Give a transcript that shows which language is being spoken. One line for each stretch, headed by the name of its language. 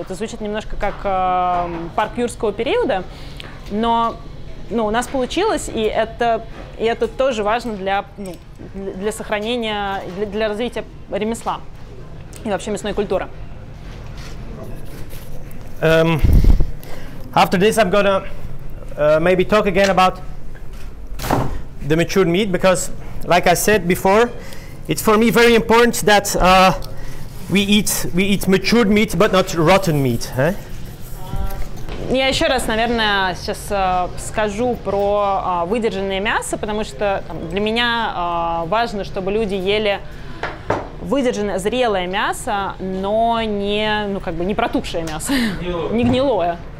Russian: Это звучит немножко как парк юрского периода, но ну, у нас получилось, и это тоже важно для, ну, для сохранения, для развития ремесла и вообще мясной культуры.
English: After this, I'm gonna maybe talk again about the matured meat, because, like I said before, it's for me very important that we eat matured meat, but not rotten meat. Eh?
Russian: Я еще раз, наверное, сейчас скажу про выдержанное мясо, потому что там, для меня важно, чтобы люди ели выдержанное, зрелое мясо, но не, ну, как бы не протухшее мясо, не гнилое.